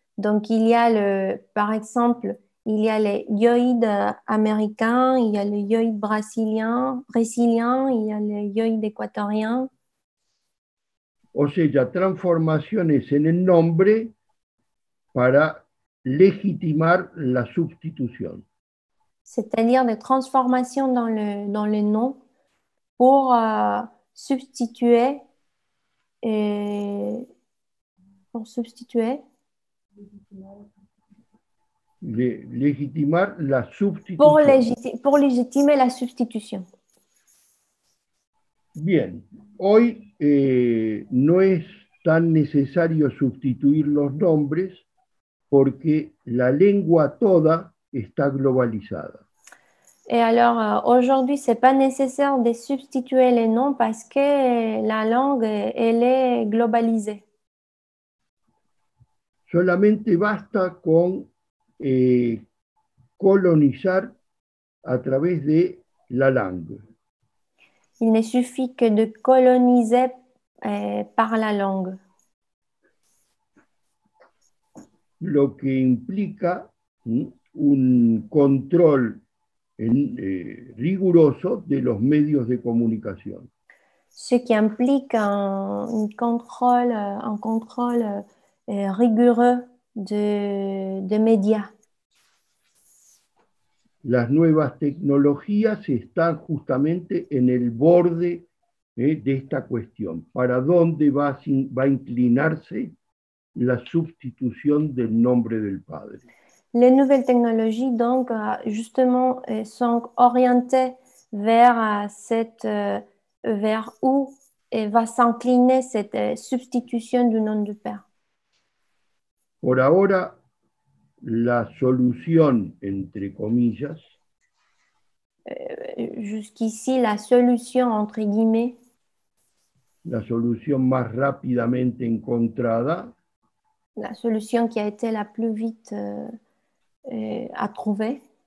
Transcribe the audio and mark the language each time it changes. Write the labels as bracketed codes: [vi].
[fr] Donc, il y a par exemple, il y a les Lloyd américains, il y a les Lloyd brésiliens, il y a les Lloyd équatoriens. [es] O sea, transformaciones en el nombre para legitimar la sustitución. [fr] C'est-à-dire des transformations dans le nom pour substituer. [es] Legitimar la [fr] Pour [es] sustitución. [fr] légitimer la substitution. [es] Bien, hoy no es tan necesario sustituir los nombres porque la lengua toda está globalizada. [fr] Et alors, aujourd'hui, ce n'est pas nécessaire de substituer les noms parce que la langue, elle est globalisée. [es] Solamente basta con colonizar a través de la langue. [fr] Il ne suffit que de coloniser par la langue. [es] Lo que implica un control riguroso de los medios de comunicación. [fr] Ce qui implique un contrôle rigoureux de médias. [es] Las nuevas tecnologías están justamente en el borde de esta cuestión. ¿Para dónde va a inclinarse la sustitución del nombre del padre? [fr] Les nouvelles technologies, donc, justement, sont orientées vers cette vers où va s'incliner cette substitution du nom du père. [es] Por ahora, la solución, entre comillas, [fr] Jusqu'ici, la solution, entre guillemets, [es] la solución más rápidamente encontrada, [fr] la solution qui a été la plus vite à trouver.